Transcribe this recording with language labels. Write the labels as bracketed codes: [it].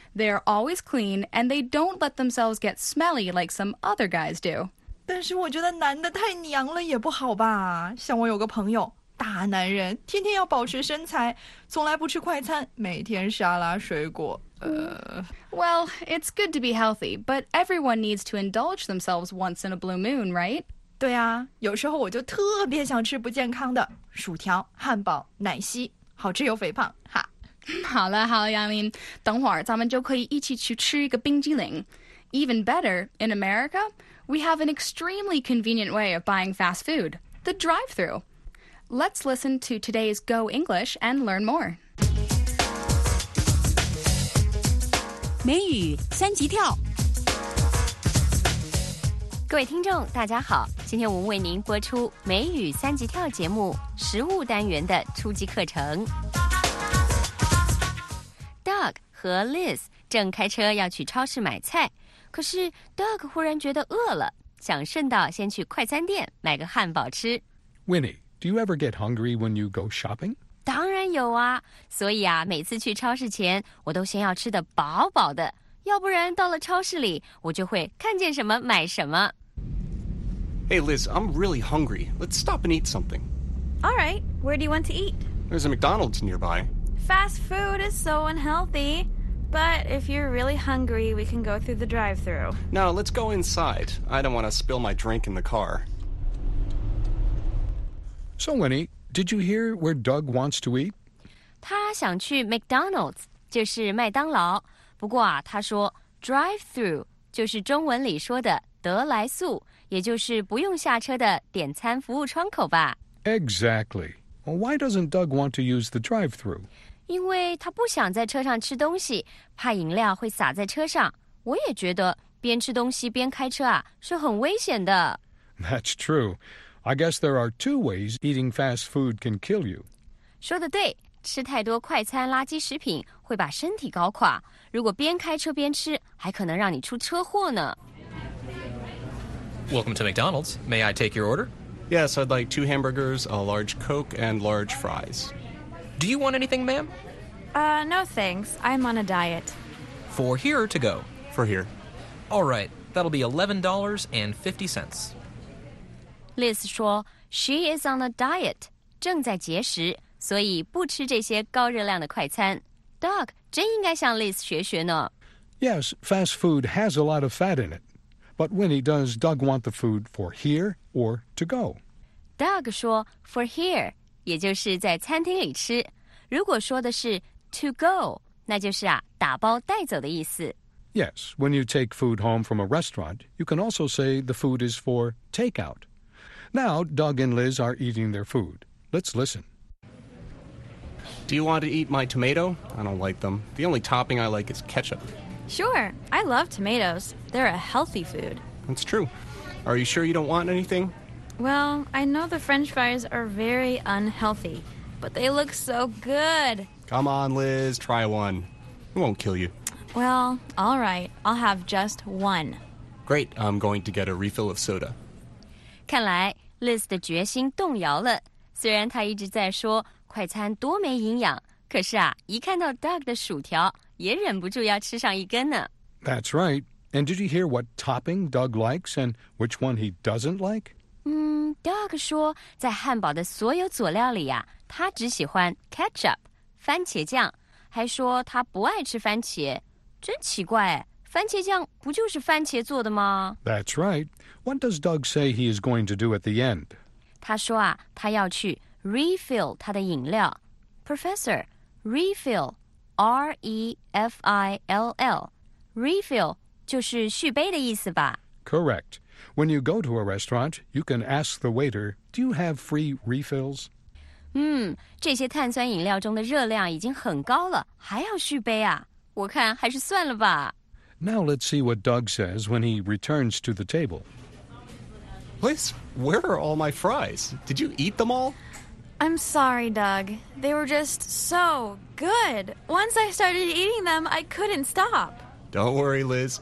[en] They're always clean, and they don't let themselves get smelly like some other guys do. [zh] 但是我觉得男的太娘了也不好吧。像我有个朋友，大男人，天天要保持身材，从来不吃快餐，每天沙拉水果。 [en] Well, it's good to be healthy, but everyone needs to indulge themselves once in a blue moon, right? [zh] 对啊，有时候我就特别想吃不健康的薯条、汉堡、奶昔，好吃又肥胖，哈。好了好了，杨林，等会儿咱们就可以一起去吃一个冰激凌。 [en] Even better, in America, we have an extremely convenient way of buying fast food, the drive-thru. Let's listen to today's Go English and learn more. [zh] 美语三级跳。各位听众大家好，今天我们为您播出美语三级跳节目食物单元的初级课程。 Doug 和 Liz 正开车要去超市买菜，可是 Doug 忽然觉得饿了，想顺道先去快餐店买个汉堡吃。 [en] Winnie, do you ever get hungry when you go shopping? [zh] 当然有啊，所以啊，每次去超市前我都先要吃得饱饱的，要不然到了超市里，我就会看见什么买什么。 [en] Hey Liz, I'm really hungry. Let's stop and eat something. All right, where do you want to eat? There's a McDonald's nearby. Fast food is so unhealthy. But if you're really hungry, we can go through the drive-thru. No, let's go inside. I don't want to spill my drink in the car. So Winnie, did you hear where Doug wants to eat? [zh] 他想去 McDonald's, 就是麦当劳。不过啊，他说 drive-through 就是中文里说的得来速，也就是不用下车的点餐服务窗口吧。 [en] Exactly. Well, why doesn't Doug want to use the drive-through? [zh] 因为他不想在车上吃东西，怕饮料会洒在车上。我也觉得边吃东西边开车啊，是很危险的。 [en] That's true. I guess there are two ways eating fast food can kill you. [zh] 说的对。吃太多快餐垃圾食品会把身体搞垮，如果边开车边吃还可能让你出车祸呢。 [en] Welcome to McDonald's. May I take your order? Yes, I'd like 2 hamburgers, a large Coke and large fries. Do you want anything, ma'am? No thanks, I'm on a diet. For here or to go? For here. Alright, that'll be $11.50. [zh] Liz 说 [en] She is on a diet, [zh] 正在节食，所以不吃这些高热量的快餐。 Doug 真应该向 Liz 学学呢。 [en] Yes, fast food has a lot of fat in it. But Winnie, does Doug want the food for here or to go? [zh] Doug 说 [en] for here, [zh] 也就是在餐厅里吃。如果说的是 [en] to go, [zh] 那就是啊打包带走的意思。 [en] Yes, when you take food home from a restaurant, you can also say the food is for takeout. Now, Doug and Liz are eating their food. Let's listen. Do you want to eat my tomato? I don't like them. The only topping I like is ketchup. Sure, I love tomatoes. They're a healthy food. That's true. Are you sure you don't want anything? Well, I know the french fries are very unhealthy, but they look so good. Come on, Liz, try one. It won't kill you. Well, all right, I'll have just one. Great, I'm going to get a refill of soda. [zh] 看来 Liz 的决心动摇了，虽然她一直在说快餐多没营养，可是啊，一看到 Doug 的薯条，也忍不住要吃上一根呢。 [en] That's right. And did you hear what topping Doug likes and which one he doesn't like? [zh] Doug 说，在汉堡的所有佐料里啊，他只喜欢 ketchup, 番茄酱，还说他不爱吃番茄。真奇怪，番茄酱不就是番茄做的吗？ [en] That's right. What does Doug say he is going to do at the end? [zh] 他说啊，他要去refill 他的饮料。 [en] Professor, refill, R-E-F-I-L-L. [zh] Refill 就是续杯的意思吧。 [en] Correct. When you go to a restaurant, you can ask the waiter, do you have free refills? [zh] 这些碳酸饮料中的热量已经很高了，还要续杯啊，我看还是算了吧。 [en] Now let's see what Doug says when he returns to the table. Liz, where are all my fries? Did you eat them all? I'm sorry, Doug. They were just so good. Once I started eating them, I couldn't stop. Don't worry, Liz.